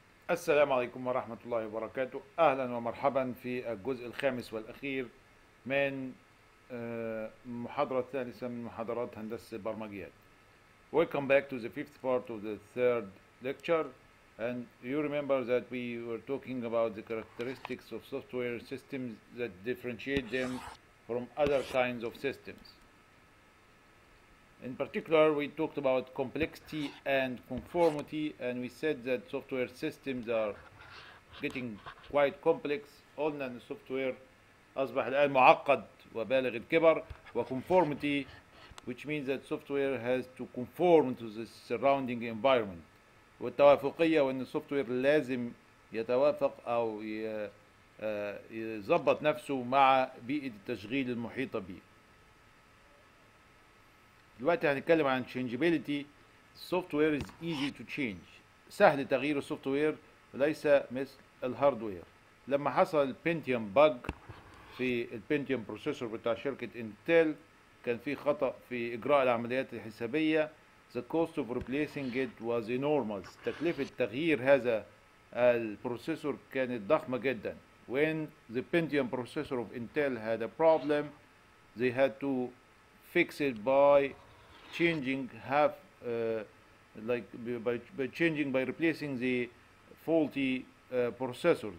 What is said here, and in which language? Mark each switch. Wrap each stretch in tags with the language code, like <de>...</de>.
<ar>السلام عليكم ورحمة الله وبركاته، أهلا ومرحبا في الجزء الخامس والأخير من المحاضرة الثالثة من محاضرات هندسة البرمجيات.</ar> <en>Welcome back to the fifth part of the third lecture. And you remember that we were talking about the characteristics of software systems that differentiate them from other kinds of systems. In particular, we talked about complexity and conformity, and we said that software systems are getting quite complex.</en> <ar>قلنا أن software أصبح الآن معقد وبالغ الكبر,</ar> <en>وconformity, which means that software has to conform to the surrounding environment.</en> <ar>والتوافقية, وأن software لازم يتوافق أو يضبط نفسه مع بيئة التشغيل المحيطة به. دلوقتي هنتكلم عن changeability.</ar> <en>software is easy to change,</en> <ar>سهل تغيير السوفتوير وليس مثل الهاردوير. لما حصل البنتيوم باج في البنتيوم بروسيسور بتاع شركة انتل, كان في خطأ في اجراء العمليات الحسابية.</ar> <en>the cost of replacing it was enormous,</en> <ar>تكلفة تغيير هذا البروسيسور كانت ضخمة جدا.</ar> <en>when the pentium processor of intel had a problem, they had to fix it by changing half by replacing the faulty processor.</en>